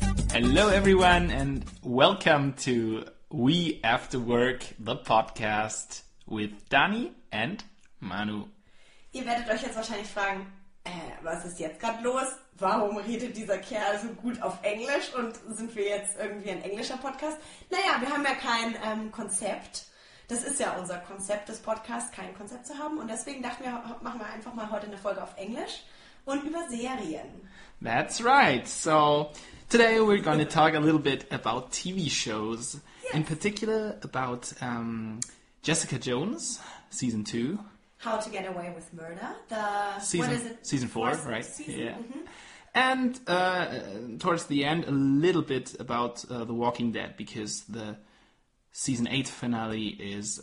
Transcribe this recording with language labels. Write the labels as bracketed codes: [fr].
[en] Hello, everyone, and welcome to We After Work, the podcast with Dani and Manu. [de] Ihr werdet euch jetzt wahrscheinlich fragen, was ist jetzt gerade los? Warum redet dieser Kerl so gut auf Englisch und sind wir jetzt irgendwie ein englischer Podcast? Naja, wir haben ja kein Konzept. Das ist ja unser Konzept des Podcasts, kein Konzept zu haben. Und deswegen dachten wir, machen wir einfach mal heute eine Folge auf Englisch und über Serien. [en] That's right. So today we're going to talk a little bit about TV shows. Yes. In particular about Jessica Jones, season 2. How to Get Away with Murder, the season, what is it? Season 4, first, right? Season? Yeah. Mm-hmm. And towards the end, a little bit about The Walking Dead, because the season 8 finale is,